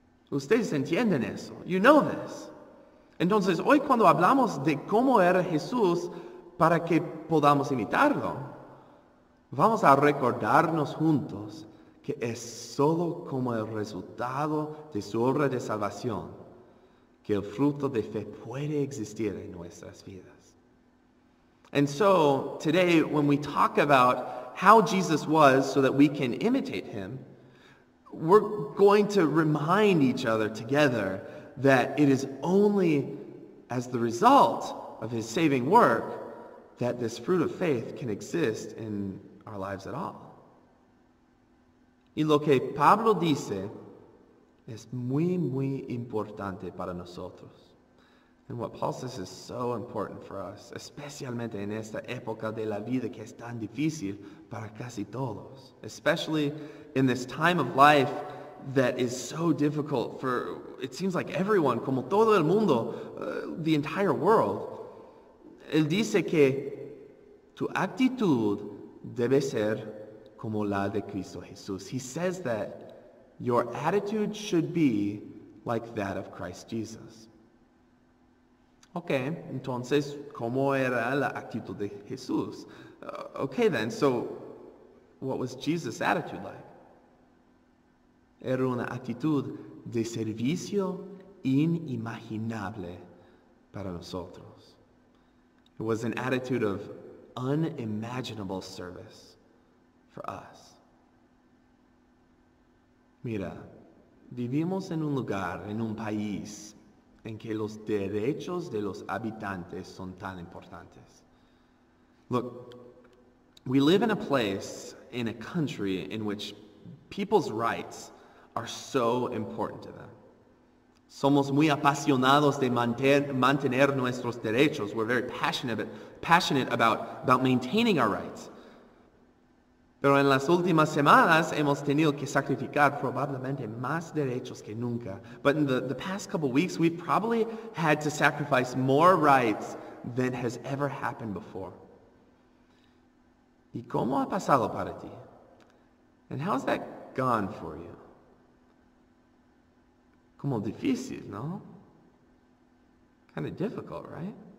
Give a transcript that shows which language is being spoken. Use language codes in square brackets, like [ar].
[es] Ustedes entienden eso. [en] You know this. [es] Entonces, hoy cuando hablamos de cómo era Jesús para que podamos imitarlo, vamos a recordarnos juntos que es solo como el resultado de su obra de salvación que el fruto de fe puede existir en nuestras vidas. [en] And so, today, when we talk about how Jesus was so that we can imitate him, we're going to remind each other together that it is only as the result of his saving work that this fruit of faith can exist in our lives at all. [es] Y lo que Pablo dice es muy, muy importante para nosotros. [en] And what Paul says is so important for us, [es] especialmente en esta época de la vida que es tan difícil para casi todos. [en] Especially in this time of life that is so difficult for, it seems like everyone, [es] como todo el mundo, [en] the entire world. [es] Él dice que tu actitud debe ser como la de Cristo Jesús. [en] He says that your attitude should be like that of Christ Jesus. [es] Okay, entonces, ¿cómo era la actitud de Jesús? [en] Okay then, so what was Jesus' attitude like? [es] Era una actitud de servicio inimaginable para nosotros. [en] It was an attitude of unimaginable service for us. [es] Mira, vivimos en un lugar, en un país, en que los derechos de los habitantes son tan importantes. [en] Look, we live in a place, in a country, in which people's rights are so important to them. [es] Somos muy apasionados de mantener nuestros derechos. [en] We're very passionate about maintaining our rights. [es] Pero en las últimas semanas hemos tenido que sacrificar probablemente más derechos que nunca. [en] But in the past couple of weeks, we've probably had to sacrifice more rights than has ever happened before. [es] ¿Y cómo ha pasado para ti? [en] And how's that gone for you? [es] Como difícil, ¿no? [en] Kind of difficult, right?